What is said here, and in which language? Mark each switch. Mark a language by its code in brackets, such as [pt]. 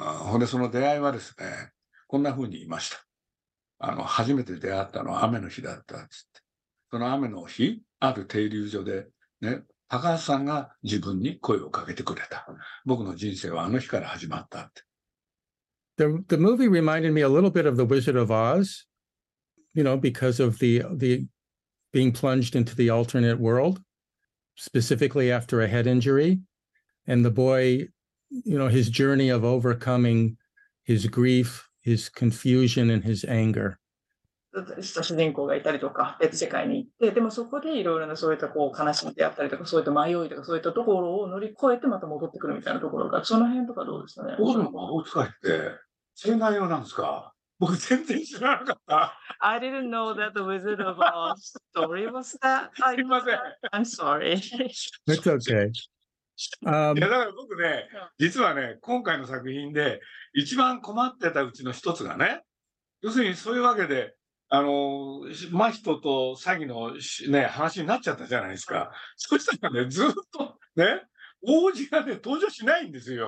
[ja] ほんで、その出会いはですね、こんな風に言いました。初めて出会ったのは雨の日だったっつって。その雨の日、ある停留所で、ね、高橋さんが自分に声をかけてくれた。僕の人生はあの日から始まったって。 [en] The movie reminded me a little bit of The Wizard of Oz, you know, because of the being plunged into the alternate world. Specifically after a head injury, and the boy, you know, his journey of overcoming his grief, his confusion, and his anger. [ja] 主人公がいたりとか、別世界に行って、でもそこでいろいろなそういったこう悲しみであったりとか、そういった迷いとか、そういったところを乗り越えてまた戻ってくるみたいなところが、その辺とかどうですかね。オズの魔法使いって、そういう内容なんですか。僕全然知らなかった。 [en] I didn't know that the Wizard of Oz story was that. [ja] すみません。 [en] I'm sorry. It's okay. [ja] いやだから僕ね、実はね、今回の作品で一番困ってたうちの一つがね、要するにそういうわけで、真人と詐欺のね、話になっちゃったじゃないですか。そしたらね、ずっとね、王子がね、登場しないんですよ。